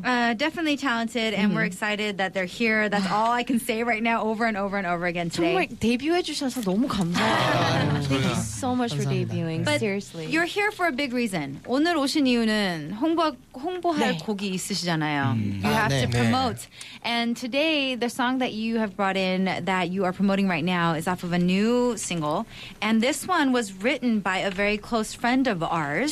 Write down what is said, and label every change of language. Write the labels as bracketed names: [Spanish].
[English] Definitely talented, and we're excited that they're here. That's all I can say right now over and over and over again today. [Korean] 정말 데뷔해주셔서 너무 감사해요. [English] Thank you so much [Korean] 감사합니다. [English] For debuting. But seriously. You're here for a big reason. [Korean] 오늘 오신 이유는 홍보할 곡이 있으시잖아요. [English] You have to promote. 네. And today, the song that you have brought in that you are promoting right now is off of a new single. And this one was written by a very close friend of ours.